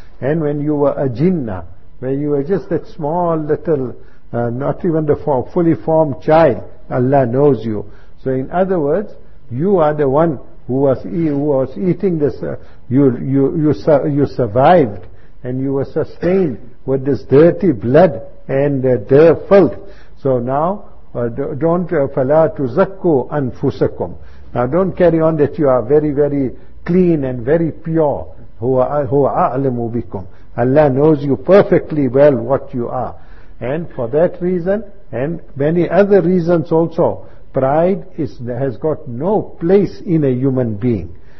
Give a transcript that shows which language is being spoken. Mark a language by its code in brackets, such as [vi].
[en] And when you were a jinnah, when you were just that small little, not even the fully formed child, Allah knows you. So in other words, you are the one who was eating this, you survived, and you were sustained with this dirty blood and the filth. So now, [ar] don't فلا تزكوا أنفسكم. [en] Now don't carry on that you are very very clean and very pure. [ar] هو أعلم بكم. [en] Allah knows you perfectly well what you are. And for that reason, and many other reasons also, pride is, has got no place in a human being.